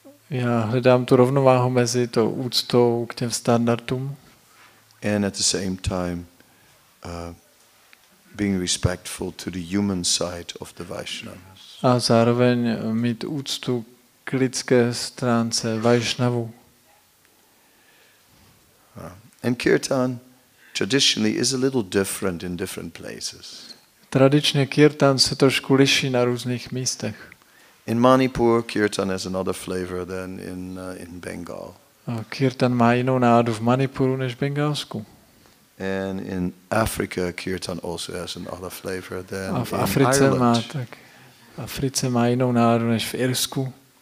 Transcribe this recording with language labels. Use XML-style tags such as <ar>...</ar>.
<cs>Já hledám tu rovnováhu mezi to úctou k těm standardům.</cs> <en>And at the same time being respectful to the human side of the Vaishnavas.</en> <cs>A zároveň mít úctu k lidské stránce Vaishnavů.</cs> <en>And kirtan traditionally is a little different in different places.</en> <cs>Tradičně kirtan se trošku liší na různých místech.</cs> <en>In Manipur kirtan has another flavor than in Bengal.</en> <cs>A kirtan má jinou náladu v Manipuru než v Bengálsku.</cs> <en>And in Africa kirtan also has another flavor than</en> <cs>a v Africe má tak. V Africe má jinou náladu než v Irsku.</cs>